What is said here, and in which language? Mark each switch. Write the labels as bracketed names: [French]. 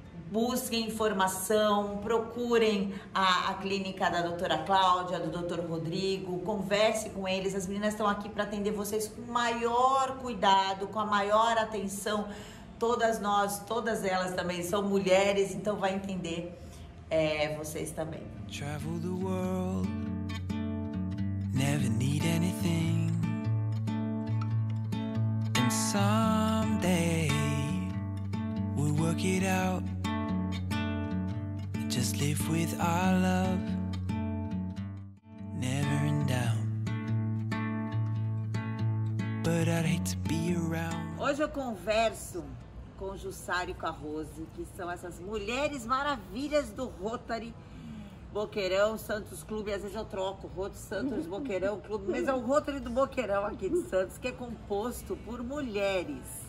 [Portuguese] Busquem informação, procurem a clínica da doutora Cláudia, do doutor Rodrigo, converse com eles. As meninas estão aqui para atender vocês com o maior cuidado, com a maior atenção. Todas nós, todas elas também são mulheres, então vai entender vocês também. [English] Travel the world, never need anything. And someday we'll work it out. Just live with our love, never in doubt. But I'd hate to be around. [Portuguese] Hoje eu converso com Jussara e com a Rose, que são essas mulheres maravilhas do Rotary Boqueirão Santos Clube. Às vezes eu troco Roto Santos Boqueirão Clube, mas é o Rotary do Boqueirão aqui de Santos, que é composto por mulheres.